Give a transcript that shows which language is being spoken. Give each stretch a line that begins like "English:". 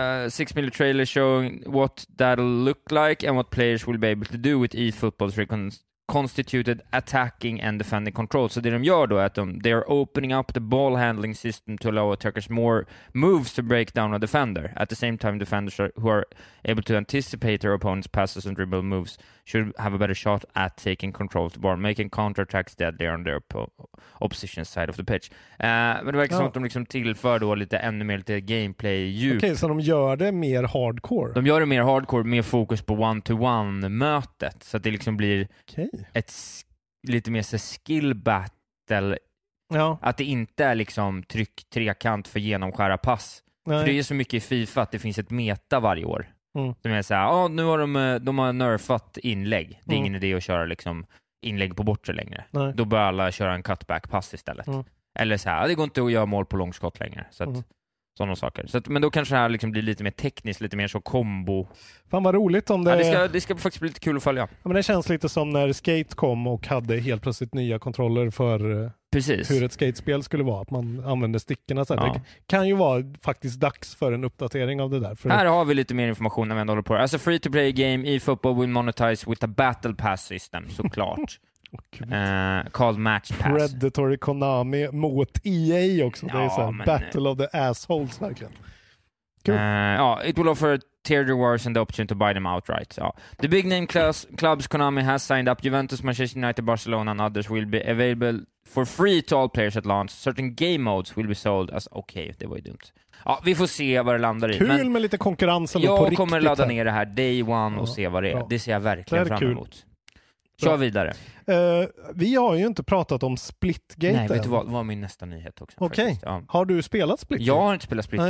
English: 6 million trailer showing what that'll look like and what players will be able to do with eFootball's constituted attacking and defending control.
Swedish: Så det de gör då är att de
English: are opening up the ball handling system to allow attackers more moves to break down a defender. At the same time, defenders who are able to anticipate their opponent's passes and dribble moves should have a better shot at taking control of the ball, making counterattacks deadly on their opposition side of the pitch.
Swedish: Men det verkar som att de liksom tillför då lite ännu mer lite gameplay djup. Okej, så de gör det mer hardcore? De gör det mer hardcore, mer fokus på one-to-one-mötet. Så att det liksom blir ett lite mer så skill battle. Ja. Att det inte är liksom tryck trekant för genomskära pass. Nej. För det är ju så mycket i FIFA att det finns ett meta varje år. Mm. Som är så här, ah, nu har de har nerfat inlägg. Det är ingen idé att köra liksom inlägg på bortre längre. Nej. Då bör alla köra en cutback-pass istället. Mm. Eller så här, det går inte att göra mål på långskott längre. Så att, sådana saker. Så att, men då kanske det här liksom blir lite mer tekniskt, lite mer så kombo. Fan vad roligt om det... Ja, det ska faktiskt bli lite kul att följa. Ja, men det känns lite som när Skate kom och hade helt plötsligt nya kontroller för... Precis. Hur ett skatespel skulle vara, att man använder stickorna. Så här. Ja. Det kan ju vara faktiskt dags för en uppdatering av det där. För... Här har vi lite mer information när vi håller på.
English: As a free-to-play game, eFootball will monetize with a battle pass system, såklart. called Match Pass.
Swedish: Predatory Konami mot EA också. Ja, det är så här, men...
English: Battle of the Assholes, verkligen. It will offer tiered rewards and the option to buy them outright. So, the big name clubs Konami has signed up, Juventus, Manchester United, Barcelona and others will be available for free to all players at launch. Certain game modes will be sold as okay,
Swedish: det var ju dumt. Ja, vi får se vad det landar kul i. Kul med lite konkurrens på riktigt. Jag kommer ladda ner det här day one och se vad det är. Det ser jag verkligen fram emot. Kör vidare. Vi har ju inte pratat om Splitgate. Nej, vet du vad? Det var min nästa nyhet också. Okej. Okay. Ja. Har du spelat Splitgate? Jag har inte spelat Splitgate.